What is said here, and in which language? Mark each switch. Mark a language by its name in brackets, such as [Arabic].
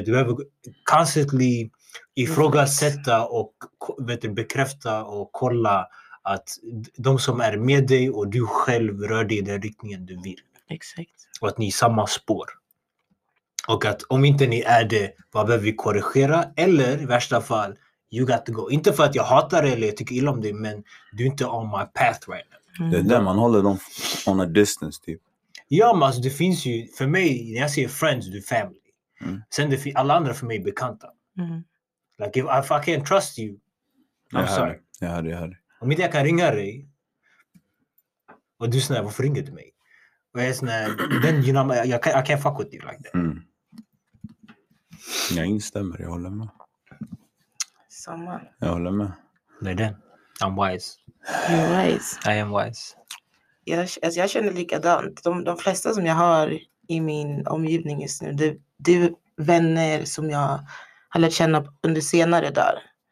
[Swedish] Du behöver constantly ifrågasätta och bekräfta och kolla att de som är med dig och du själv rör dig i den riktningen du vill. Exakt. Och att ni är samma spår. Och att om inte ni är det, vad behöver vi korrigera? Eller i värsta fall, [English] you got to go. [Swedish] Inte för att jag hatar dig eller jag tycker illa om dig, men du är inte [English] on my path right now. Mm. [Swedish] Det är där man håller dem [English] on a distance [Swedish] typ. Ja, men alltså, det finns ju, för mig, när jag säger friends, du är family. Mm. Sen det alla andra för mig är bekanta. Mm. [English] Like if I can't trust you, I'm sorry. [Swedish] Jag hörde. Om inte jag kan ringa dig, och du snälla, varför ringer du mig? [English] Then you know, I can't fuck with you like that. Mm. [Swedish] Jag instämmer, jag håller med. Samma. Jag håller med. Nej, den. [English] I'm wise. You're wise. I am wise. [Swedish] Jag känner likadant. De flesta som jag har i min omgivning just nu, det är vänner som jag har lärt känna under senare dagar.